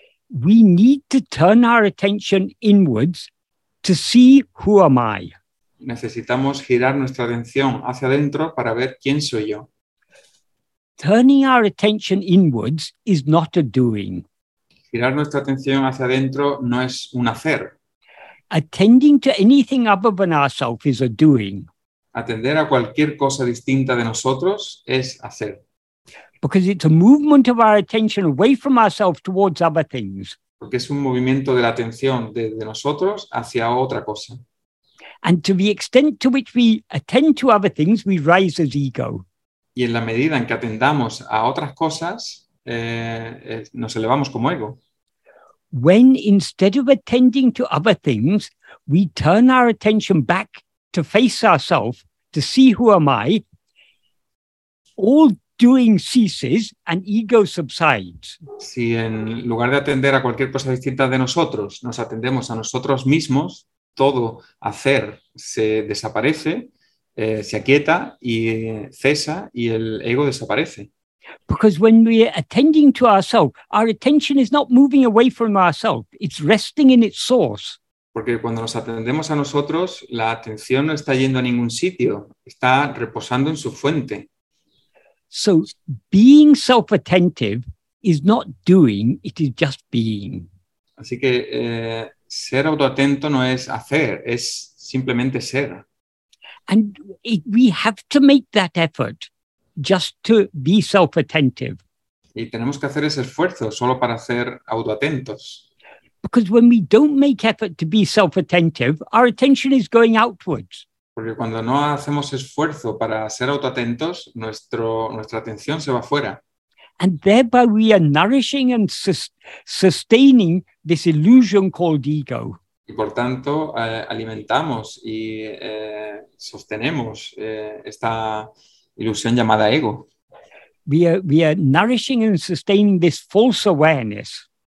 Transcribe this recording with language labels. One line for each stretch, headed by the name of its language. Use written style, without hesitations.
English: we need to turn our attention inwards to see who am I.
Spanish: Necesitamos girar nuestra atención hacia adentro para ver quién soy yo.
English: Turning our attention inwards is not a doing.
Spanish: Girar nuestra atención hacia adentro no es un hacer.
English: Attending to anything other than ourselves is a doing.
Spanish: Atender a cualquier cosa distinta de nosotros es hacer.
English: Because it's a movement of our attention away from ourselves towards other things.
Spanish: Porque es un movimiento de la atención de nosotros hacia otra cosa.
English: And to the extent to which we attend to other things, we rise as ego.
Spanish: Y en la medida en que atendamos a otras cosas, nos elevamos como ego.
English: When instead of attending to other things, we turn our attention back to face ourselves, to see who am I, all doing ceases and ego subsides.
Spanish: Si en lugar de atender a cualquier cosa distinta de nosotros, nos atendemos a nosotros mismos, todo hacer se desaparece, se aquieta y cesa y el ego desaparece.
English: Because when we are attending to ourselves, our attention is not moving away from ourselves, it's resting in its source.
Spanish: Porque cuando nos atendemos a nosotros, la atención no está yendo a ningún sitio, está reposando en su fuente.
English: So being self-attentive is not doing, it is just being.
Spanish: Así que ser autoatento no es hacer, es simplemente ser.
English: And we have to make that effort just to be self-attentive.
Spanish: Y tenemos que hacer ese esfuerzo solo para ser autoatentos.
English: Because when we don't make effort to be self-attentive, our attention is going outwards.
Spanish: Porque cuando no hacemos esfuerzo para ser autoatentos, nuestra atención se va fuera.
English: And thereby we are nourishing and sustaining this illusion called ego.
Spanish: Y por tanto, alimentamos y sostenemos esta ilusión llamada ego.
English: We are nourishing and sustaining this false awareness.